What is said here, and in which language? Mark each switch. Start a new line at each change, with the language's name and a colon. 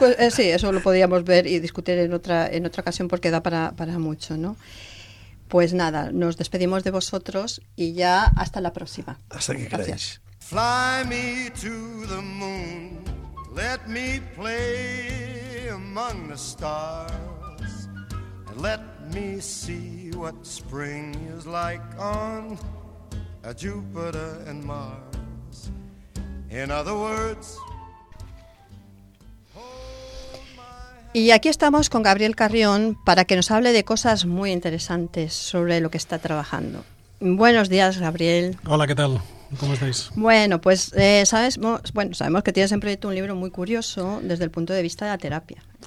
Spanish: sí, eso lo podríamos ver y discutir en otra ocasión porque da para mucho, ¿no? Pues nada, nos despedimos de vosotros y ya hasta la próxima. Hasta que queráis.
English: Fly me to the moon, let me play among the stars, and let me see what spring is like on a Jupiter and Mars. In other words.
Spanish: Y aquí estamos con Gabriel Carrión para que nos hable de cosas muy interesantes sobre lo que está trabajando. Buenos días, Gabriel. Hola, ¿qué tal? ¿Cómo estáis? Bueno, pues sabemos que tienes en proyecto un libro muy curioso desde el punto de vista de la terapia.